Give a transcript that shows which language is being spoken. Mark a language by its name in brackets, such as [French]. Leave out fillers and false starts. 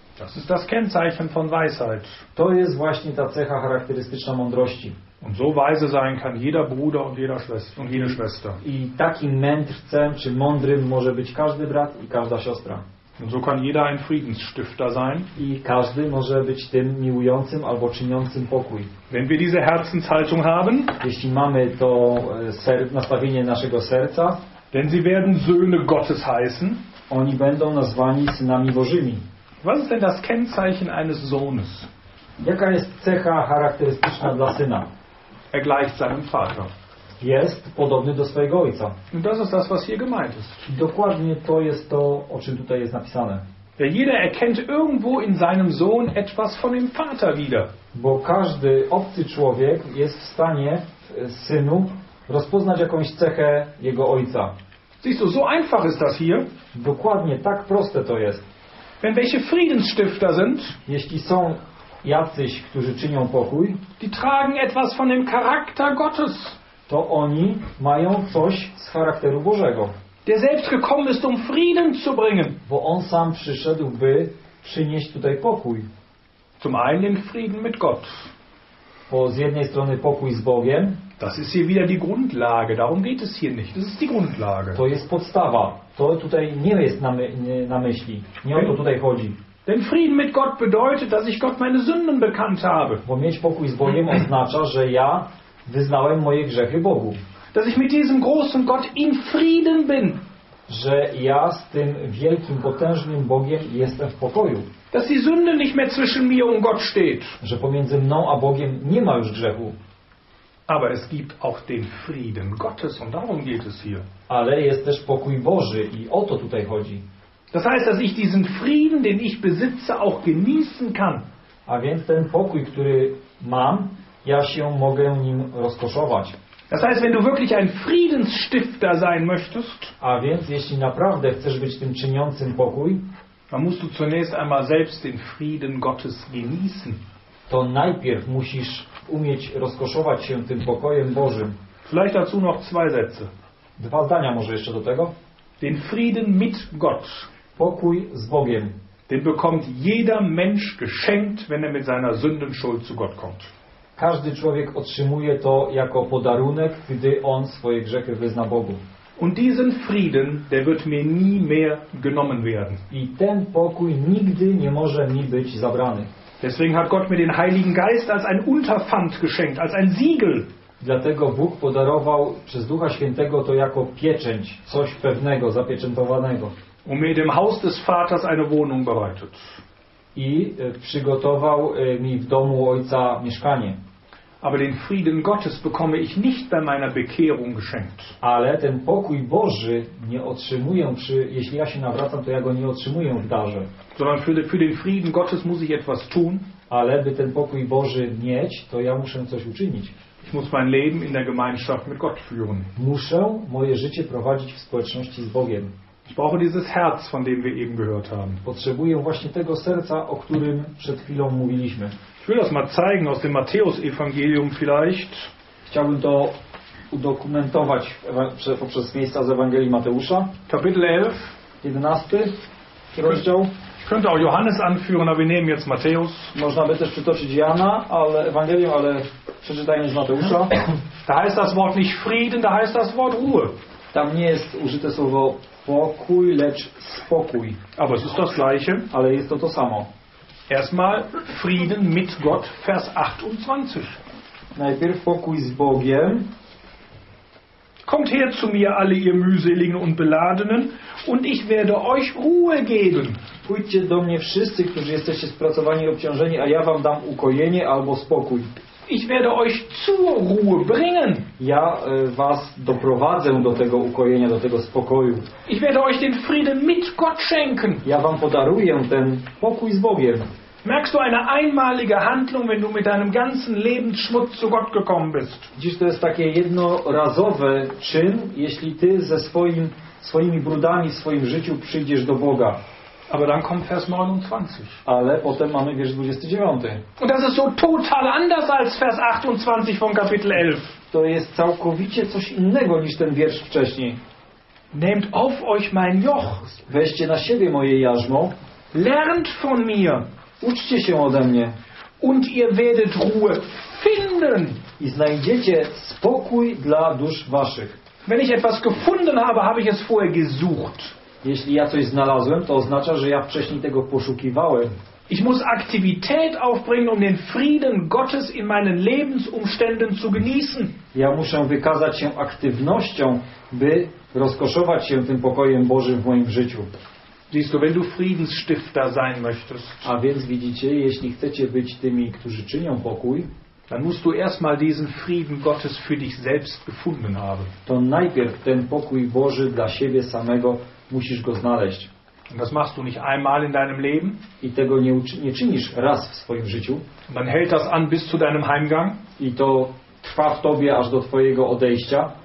[German] Das ist das Kennzeichen von Weisheit. [Polish] To jest właśnie ta cecha charakterystyczna mądrości. [German] Und so weise sein kann jeder Bruder und jeder Schwester und jede Schwester. [Polish] I takim mędrcem czy mądrym może być każdy brat i każda siostra. [German] Und so kann jeder ein Friedensstifter sein. [Polish] I każdy może być tym miłującym albo czyniącym pokój. [German] Wenn wir diese Herzenshaltung haben, [Polish] jeśli mamy to nastawienie naszego serca, [German] denn sie werden Söhne Gottes heißen, [Polish] oni będą nazwani synami Bożymi. [German] Was ist denn das Kennzeichen eines Sohnes? [Polish] Jaka jest cecha charakterystyczna dla syna? [German] Er gleicht seinem Vater. [Polish] Jest podobny do swojego ojca. [German] Und das ist das, was hier gemeint ist. [Polish] Dokładnie to jest to, o czym tutaj jest napisane. [German] Der jeder erkennt irgendwo in seinem Sohn etwas von dem Vater wieder. [Polish] Bo każdy obcy człowiek jest w stanie w synu rozpoznać jakąś cechę jego ojca. [German] Siehst du, so einfach ist das hier. [Polish] Dokładnie tak proste to jest. [German] Wenn welche Friedensstifter sind, [Polish] jeśli są jacyś, którzy czynią pokój, [German] die tragen etwas von dem Charakter Gottes. [Polish] To oni mają coś z charakteru Bożego. [German] Der selbst gekommen ist, um Frieden zu bringen. [Polish] Bo on sam przyszedł, by przynieść tutaj pokój. [German] Zum einen Frieden mit Gott. [Polish] Bo z jednej strony pokój z Bogiem. [German] Das ist hier wieder die Grundlage. Darum geht es hier nicht. Das ist die Grundlage. [Polish] To jest podstawa. To tutaj nie jest na myśli. Nie o to tutaj chodzi. [German] Denn Frieden mit Gott bedeutet, dass ich Gott meine Sünden bekannt habe. [Polish] Bo mieć pokój z Bogiem oznacza, że ja wyznałem moje grzechy Bogu. [German] Dass ich mit diesem großen Gott in Frieden bin. [Polish] Że ja z tym wielkim, potężnym Bogiem jestem w pokoju. [German] Dass die Sünde nicht mehr zwischen mir und Gott steht. [Polish] Że pomiędzy mną a Bogiem nie ma już grzechu. [German] Aber es gibt auch den Frieden Gottes und darum geht es hier. [Polish] Ale jest też pokój Boży i o to tutaj chodzi. [German] Das heißt, dass ich diesen Frieden, den ich besitze, auch genießen kann. [Polish] A więc ten pokój, który mam, ja się mogę nim rozkoszować. [German] Das heißt, wenn du wirklich ein Friedensstifter sein möchtest, [Polish] a więc jeśli naprawdę chcesz być tym czyniącym pokój, [German] dann musst du zunächst einmal selbst den Frieden Gottes genießen. [Polish] To najpierw musisz umieć rozkoszować się tym pokojem Bożym. [German] Vielleicht dazu noch zwei Sätze. [Polish] Dwa zdania może jeszcze do tego. [German] Den Frieden mit Gott. [Polish] Pokój z Bogiem. [German] Den bekommt jeder Mensch geschenkt, wenn er mit seiner Sündenschuld zu Gott kommt. [Polish] Każdy człowiek otrzymuje to jako podarunek, gdy on swoje grzechy wyzna Bogu. [German] Und diesen Frieden, der wird mir nie mehr genommen werden. [Polish] I ten pokój nigdy nie może mi być zabrany. [German] Deswegen hat Gott mir den Heiligen Geist als ein Unterpfand geschenkt, als ein Siegel. [Polish] Dlatego Bóg podarował przez Ducha Świętego to jako pieczęć, coś pewnego, zapieczętowanego. [German] Um mir dem Haus des Vaters eine Wohnung bereitet. [Polish] I przygotował mi w domu Ojca mieszkanie. [German] Aber den Frieden Gottes bekomme ich nicht bei meiner Bekehrung geschenkt. [Polish] Ale ten pokój Boży nie otrzymuję, jeśli ja się nawracam, to ja go nie otrzymuję w darze. [German] Sondern für den Frieden Gottes muss ich etwas tun. [Polish] Ale by ten pokój Boży mieć, to ja muszę coś uczynić. [German] Ich muss mein Leben in der Gemeinschaft mit Gott führen. [Polish] Muszę moje życie prowadzić w społeczności z Bogiem. [German] Ich brauche dieses Herz, von dem wir eben gehört haben. [Polish] Potrzebuję właśnie tego serca, o którym przed chwilą mówiliśmy. [German] Ich will das mal zeigen aus dem Matthäus-Evangelium vielleicht. [Polish] Chciałbym to udokumentować poprzez miejsca z Ewangelii Mateusza. [German] Kapitel 11. [Polish] 11. Rozdział. [German] Ich könnte auch Johannes anführen, aber wir nehmen jetzt Matthäus. [Polish] Można by też przytoczyć Jana, ale Ewangelium, ale przeczytajmy z Mateusza. [German] Da heißt das Wort nicht Frieden, da heißt das Wort Ruhe. [Polish] Tam nie jest użyte słowo pokój, lecz spokój. [German] Aber es ist das Gleiche. [Polish] Ale jest to to samo. [German] Erstmal Frieden mit Gott, Vers 28. [Polish] Najpierw pokój z Bogiem. [German] Kommt her zu mir, alle ihr mühseligen und beladenen, und ich werde euch Ruhe geben. [Polish] Pójdźcie do mnie wszyscy, którzy jesteście spracowani i obciążeni, a ja wam dam ukojenie albo spokój. [German] Ich werde euch zur Ruhe bringen. [Polish] Ja was doprowadzę do tego ukojenia, do tego spokoju. [German] Ich werde euch den Frieden mit Gott schenken. [Polish] Ja wam podaruję ten pokój z Bogiem. [German] Merkst du eine einmalige Handlung, wenn du mit deinem ganzen Lebensschmutz zu Gott gekommen bist? [Polish] Widzisz, to jest takie jednorazowe czyn, jeśli ty ze swoimi brudami w swoim życiu przyjdziesz do Boga. [German] Aber dann kommt Vers 29. [Polish] Ale potem mamy wiersz 29. [German] Und das ist so total anders als Vers 28 von Kapitel 11. [Polish] To jest całkowicie coś innego niż ten wiersz wcześniej. [German] Nehmt auf euch mein Joch. [Polish] Weźcie na siebie moje jarzmo. [German] Lernt von mir. [Polish] Uczcie się ode mnie. [German] Und ihr werdet Ruhe finden. [Polish] I znajdziecie spokój dla dusz waszych. [German] Wenn ich etwas gefunden habe, habe ich es vorher gesucht. [Polish] Jeśli ja coś znalazłem, to oznacza, że ja wcześniej tego poszukiwałem. [German] Ich muss Aktivität aufbringen, um den Frieden Gottes in meinen Lebensumständen zu genießen. [Polish] Ja muszę wykazać się aktywnością, by rozkoszować się tym pokojem Bożym w moim życiu. [German] Siehst du, wenn du Friedensstifter sein möchtest. [Polish] A więc widzicie, jeśli chcecie być tymi, którzy czynią pokój, [German] dann musst du erstmal diesen Frieden Gottes für dich selbst gefunden haben. [Polish] To najpierw ten pokój Boży dla siebie samego musisz go znaleźć. [German] Und das machst du nicht einmal in deinem Leben. [Polish] I tego nie czynisz raz w swoim życiu. [German] Und dann hält das an bis zu deinem Heimgang. [Polish] I to trwa w tobie aż do twojego odejścia.